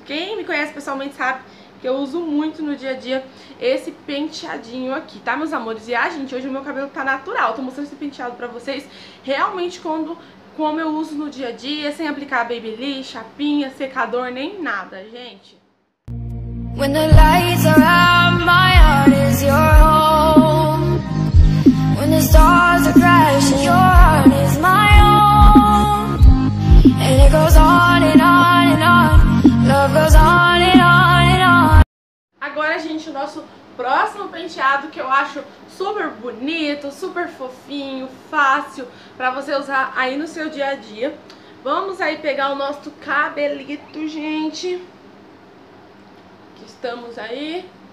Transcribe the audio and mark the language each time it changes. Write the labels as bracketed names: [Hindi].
[Portuguese] Quem me conhece pessoalmente sabe que eu uso muito no dia a dia esse penteadinho aqui, tá, meus amores? E, ah, gente, hoje o meu cabelo tá natural. Tô mostrando esse penteado pra vocês realmente quando, como eu uso no dia a dia, sem aplicar babyliss, chapinha, secador, nem nada, gente. [English] When the lights are out, my heart is your home. When the stars are crashing, your heart is my home. And it goes on and on and on. Love goes on and on. [Portuguese] Agora, gente, o nosso próximo penteado, que eu acho super bonito, super fofinho, fácil pra você usar aí no seu dia a dia. Vamos aí pegar o nosso cabelito, gente. Aqui estamos aí.